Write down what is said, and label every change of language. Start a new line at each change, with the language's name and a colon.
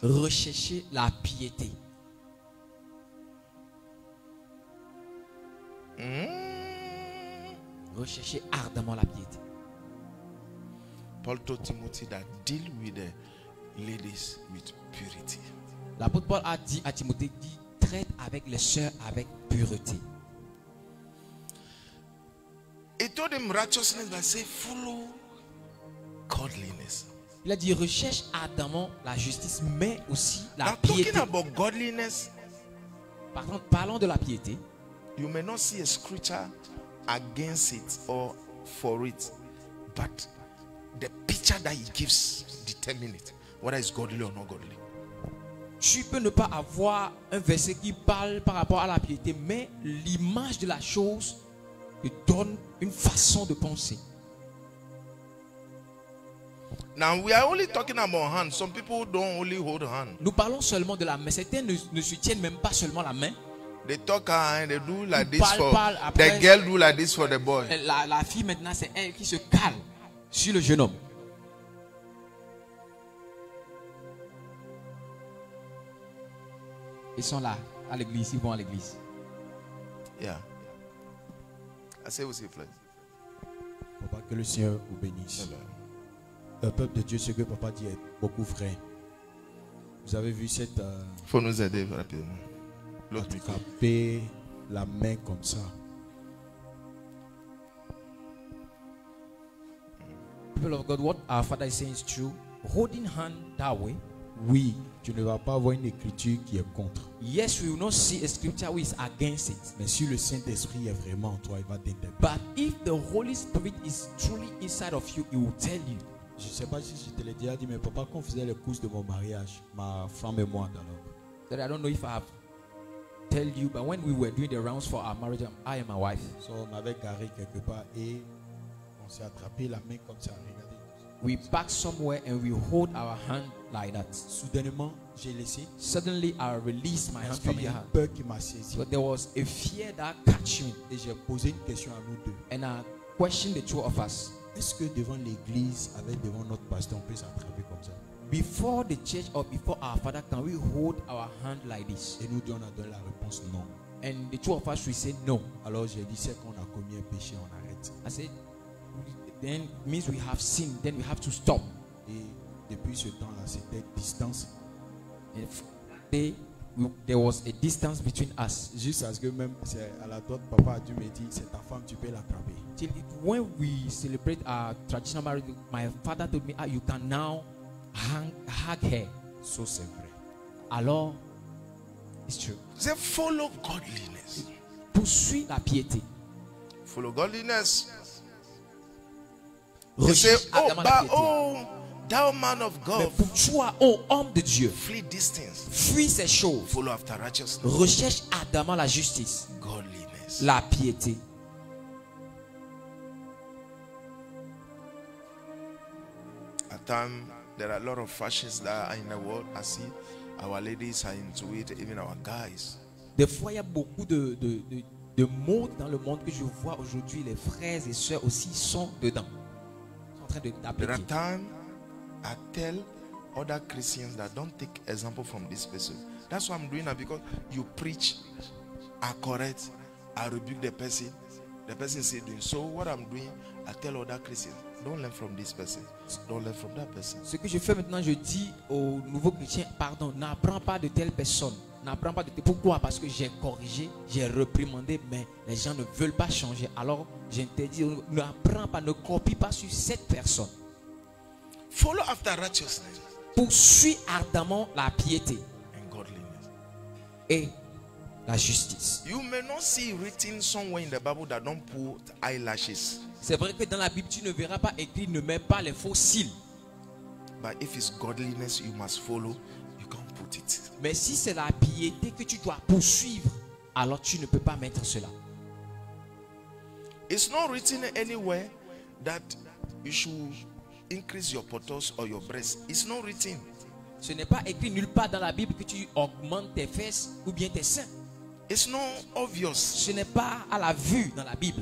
French: Rechercher la piété. Rechercher ardemment la piété.
English: Paul told Timothy that deal with the ladies with purity.
French: L'apôtre Paul a dit à Timothée, dit traite avec les sœurs avec pureté.
English: He told him righteousness but say follow godliness.
French: Il a dit recherche ardemment la justice mais aussi la
English: now,
French: piété.
English: Talking about godliness.
French: Par contre, parlons de la piété.
English: You may not see a scripture against it or for it, but the picture that he gives determines whether it's godly or not godly.
French: Tu peux ne pas avoir un verset qui parle par rapport à la piété, mais l'image de la chose te donne une façon de penser.
English: Now we are only talking about hands. Some people don't only hold hands.
French: Nous parlons seulement de la main. Certains ne se tiennent même pas seulement la main.
English: They talk and they do like this for the girl. Do like this for the boy.
French: La fille maintenant c'est elle qui se cale sur le jeune homme. Ils sont là à l'église. Ils vont à l'église. Yeah. Assez aussi, frère. Papa, que le Seigneur vous bénisse. Amen. Le peuple de Dieu, ce que papa dit est beaucoup vrai. Vous avez vu cette. Faut nous aider rapidement. Attraper la main comme ça.
English: People of God, what our father is saying is true. Holding hand that way.
French: Oui, tu ne vas pas avoir une écriture qui est contre.
English: Yes, we will not see a scripture who is against it.
French: Mais si le Saint-Esprit est vraiment en toi, il va t'interpréter.
English: But if the Holy Spirit is truly inside of you, he will tell you.
French: Je ne sais pas si je te l'ai déjà dit, mais papa, quand on faisait les couches de mon mariage, ma femme et moi, alors.
English: I don't know if I have tell you, but when we were doing the rounds for our marriage, I and my wife.
French: So on avait garé quelque part et on s'est attrapé la main comme ça. Regardez.
English: We parked somewhere and we hold our hand like that.
French: Soudainement, j'ai laissé.
English: Suddenly, I released my hand from your hand.
French: Peur qui m'a saisi.
English: But there was a fear that catched me.
French: Et j'ai posé une question à nous deux.
English: And I questioned the two of us.
French: Est-ce que devant l'église, avec devant notre pasteur, on peut s'attraper comme ça?
English: Before the church or before our father, can we hold our hand like this?
French: Et nous deux, on a donné la réponse non.
English: And the two of us, we said no.
French: Alors j'ai dit, c'est qu'on a commis un péché, on arrête.
English: I said, then means we have sinned, then we have to stop.
French: Et depuis ce temps-là, c'était distance.
English: There was a distance between us.
French: Juste parce que même c'est à la droite, papa a dû me dire, c'est ta femme, tu peux l'attraper.
English: Till it, when we celebrate our traditional marriage, my father told me, you can now hug her.
French: So c'est vrai.
English: Alors, it's true. They follow godliness.
French: Poursuit la piété.
English: Follow godliness. Say, thou man of God.
French: Mais pour toi, homme de Dieu.
English: Flee distance.
French: Fuis ces choses.
English: Follow after righteousness.
French: Recherche ardemment la justice.
English: Godliness.
French: La piété.
English: At time, there are a lot of fascists that are in the world. I see our ladies are into it, even our guys.
French: Des fois, il y a beaucoup de mots dans le monde que je vois aujourd'hui. Les frères et sœurs aussi sont dedans.
English: There are times I tell other Christians that don't take example from this person. That's why I'm doing that, because you preach, I correct, I rebuke the person. The person is doing. So what I'm doing, I tell other Christians, don't learn from this person. Don't learn from that person.
French: Ce que je fais maintenant, je dis aux nouveaux chrétiens, pardon, n'apprends pas de telle personne. N'apprends pas de telle. Pourquoi? Parce que j'ai corrigé, j'ai réprimandé, mais les gens ne veulent pas changer. Alors, j'interdis, n'apprends pas, ne copie pas sur cette personne.
English: Follow after righteousness.
French: Poursuis ardemment la piété.
English: And godliness.
French: Et la justice.
English: You may not see written somewhere in the Bible that don't put eyelashes.
French: C'est vrai que dans la Bible, tu ne verras pas écrit ne mets pas les faux cils.
English: But if it's godliness you must follow, you can't put it.
French: Mais si c'est la piété que tu dois poursuivre, alors tu ne peux pas mettre cela.
English: It's not written anywhere that you should increase your buttocks or your breasts. It's not written.
French: Ce n'est pas écrit nulle part dans la Bible que tu augmentes tes fesses ou bien tes seins.
English: It's not obvious.
French: Ce n'est pas à la vue dans la Bible.